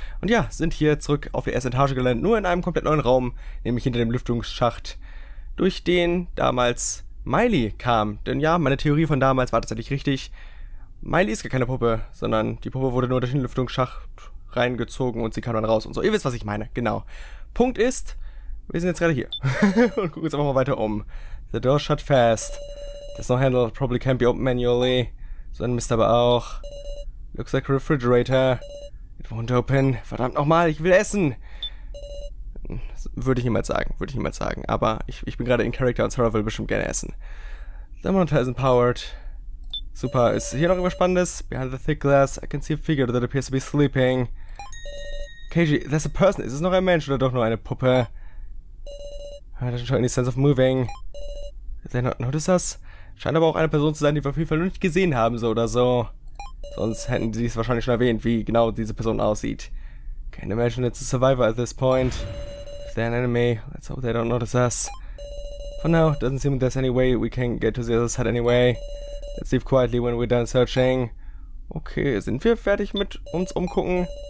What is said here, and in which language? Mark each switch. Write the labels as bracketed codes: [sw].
[de] Und ja, sind hier zurück auf der ersten Etage gelandet, nur in einem komplett neuen Raum, nämlich hinter dem Lüftungsschacht, durch den damals Miley kam. Denn ja, meine Theorie von damals war tatsächlich richtig. Miley ist gar keine Puppe, sondern die Puppe wurde nur durch den Lüftungsschacht reingezogen und sie kam dann raus und so. Ihr wisst, was ich meine, genau. Punkt ist, wir sind jetzt gerade hier und gucken uns einfach mal weiter um. [en] The door shut fast. This no handle probably can't be opened manually. [de] So ein Mist aber auch. [en] Looks like a refrigerator. It won't open. [de] Verdammt nochmal, ich will essen. Würde ich niemals sagen. Aber ich bin gerade in Character und Sarah will bestimmt gerne essen. [en] The monitor isn't powered. [de] Super, ist hier noch irgendwas Spannendes? [en] Behind the thick glass, I can see a figure that appears to be sleeping. Keiji, that's a person. [de] Ist es noch ein Mensch oder doch nur eine Puppe? [en] I don't show any sense of moving. They not notice us? [de] Scheint aber auch eine Person zu sein, die wir auf jeden Fall noch nicht gesehen haben, so oder so. Sonst hätten sie es wahrscheinlich schon erwähnt, wie genau diese Person aussieht. [en] Can't imagine it's a survivor at this point. If they're an enemy, let's hope they don't notice us. For now, doesn't seem there's any way we can get to the other side anyway. Let's leave quietly when we're done searching. [de] Okay, sind wir fertig mit uns umgucken?